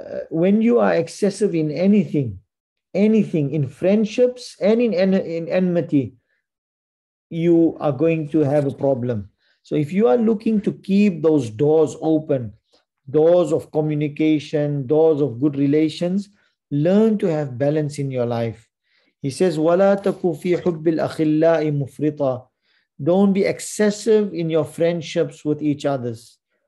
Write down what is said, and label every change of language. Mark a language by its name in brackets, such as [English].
[English] When you are excessive in anything, in friendships and in enmity, you are going to have a problem. So if you are looking to keep those doors open, doors of communication, doors of good relations, learn to have balance in your life. He says, [Arabic] وَلَا تَكُوا فِي حُبِّ الْأَخِلَّاءِ مُفْرِطًا. [English] Don't be excessive in your friendships with each others.